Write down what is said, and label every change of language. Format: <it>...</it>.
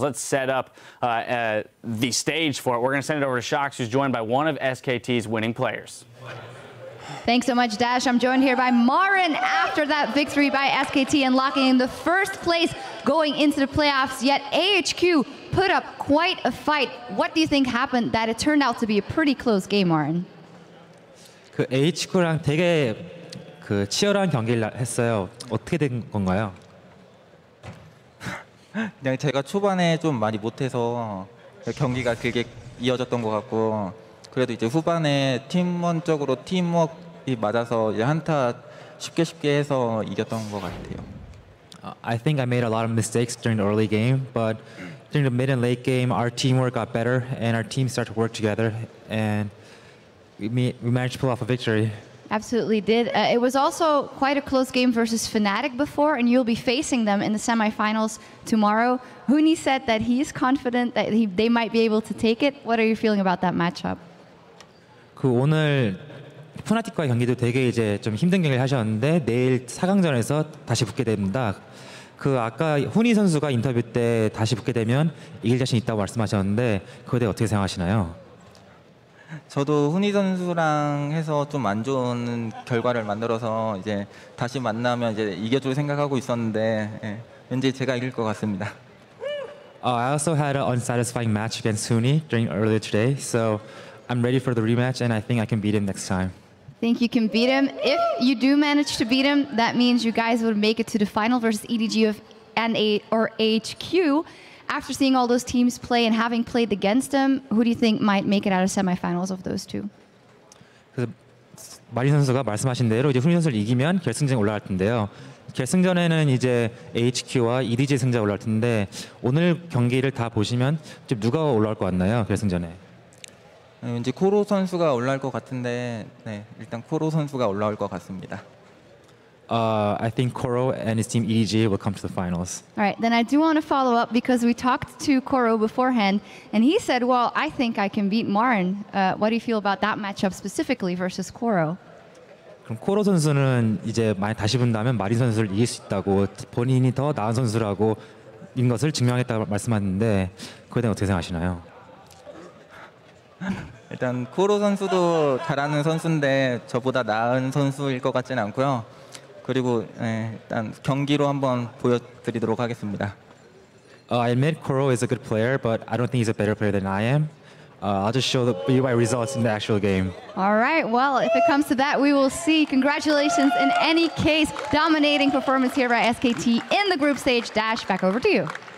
<en>Let's set up the stage for it. We're going to send it over to Shox, who's joined by one of SKT's winning players. Thanks so much, Dash. I'm joined here by Marin after that victory by SKT and locking in the first place going into the playoffs. Yet AHQ put up quite a fight. What do you think happened that it turned out to be a pretty close game, Marin?</en> <ko>그 HQ랑 되게 그 치열한 경기를 했어요. 어떻게 된 건가요? 그냥 제가 초반에 좀 많이 못해서 경기가 길게 이어졌던 것 같고 그래도 이제 후반에 팀원적으로 팀워크가 맞아서 이제 한타 쉽게 쉽게 해서 이겼던 것 같아요.</ko> <en>I think I made a lot of mistakes during the early game, but during the mid and late game, our teamwork got better and our team started to work together and we managed to pull off a victory. Absolutely did. It was also quite a close game versus Fnatic before, and you'll be facing them in the semifinals tomorrow. Huni said that he's confident that they might be able to take it. What are you feeling about that matchup?</en> <ko>그 오늘 Fnatic과의 경기도 되게 이제 좀 힘든 경기를 하셨는데 내일 4강전에서 다시 붙게 됩니다. 그 아까 후니 선수가 인터뷰 때 다시 붙게 되면 이길 자신 있다고 말씀하셨는데 그거에 대해 어떻게 생각하시나요? 저도 후니 선수랑 해서 좀 안 좋은 결과를 만들어서 이제 다시 만나면 이제 이겨줄 생각하고 있었는데 예, 왠지 제가 이길 것 같습니다.</ko> <en>I also had an unsatisfying match against Huni during earlier today, so I'm ready for the rematch, and I think I can beat him next time. Think you can beat him? If you do manage to beat him, that means you guys would make it to the final versus EDG of AHQ. After seeing all those teams play and having played against them, who do you think might make it out of semifinals of those two?</en> <ko>마리 선수가 말씀하신 대로 이제 훈이 선수를 이기면 결승전에 올라갈 텐데요. 결승전에는 이제 HQ와 EDG 승자 올라갈 텐데 오늘 경기를 다 보시면 좀 누가 올라올 것 같나요? 결승전에. 이제 코로 선수가 올라올 것 같은데 네, 일단 코로 선수가 올라올 것 같습니다.</ko> <en>I think Koro and his team EDG will come to the finals. All right, then I do want to follow up because we talked to Koro beforehand and he said, well, I think I can beat Marin. What do you feel about that matchup specifically versus Koro?</en> <ko>그럼 코로 선수는 이제 만약 다시 본다면 마린 선수를 이길 수 있다고 본인이 더 나은 선수라고 인 것을 증명했다고 말씀하는데 그거에 대해 어떻게 생각하시나요? 일단 코로 선수도 잘하는 선수인데 저보다 나은 선수일 것 같지는 않고요. 그리고 네, 일단 경기로 한번 보여드리도록 하겠습니다.</ko> <en>I admit Koro is a good player, but I don't think he's a better player than I am. I'll just show you my results in the actual game. All right, well, if it comes to that, we will see. Congratulations in any case. Dominating performance here by SKT in the group stage. Dash, back over to you.</en>